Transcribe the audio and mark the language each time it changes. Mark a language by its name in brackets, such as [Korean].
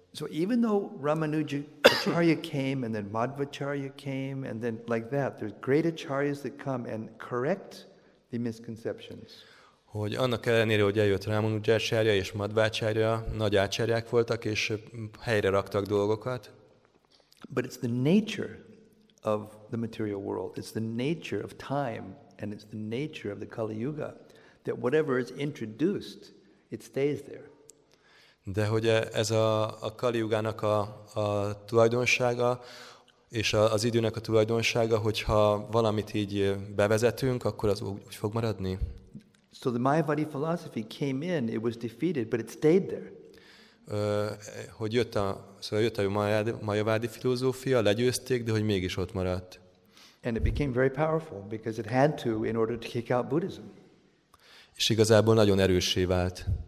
[English] So even though Ramanujacharya came and then Madhvacharya came and then like that, there's great acharyas that come and correct the misconceptions. [Hungarian] Hogy annak ellenére, hogy eljött Ramanujacharya és Madhvacharya, nagy ácsárják voltak és helyre raktak dolgokat. [English] But it's the nature of the material world. It's the nature of time and it's the nature of the Kali Yuga that whatever is introduced, it stays there. [Hungarian] De hogy ez a Kali Yugának a tulajdonsága, és az időnek a tulajdonsága, hogyha valamit így bevezetünk, akkor az úgy fog maradni? [English] So the Mayavadi philosophy came in, it was defeated, but it stayed there. [Hungarian] Hogy jött a Mayavadi filozófia, legyőzték, de hogy mégis ott maradt. [English] And it became very powerful, because it had to in order to kick out Buddhism. [Hungarian] És igazából nagyon erőssé vált.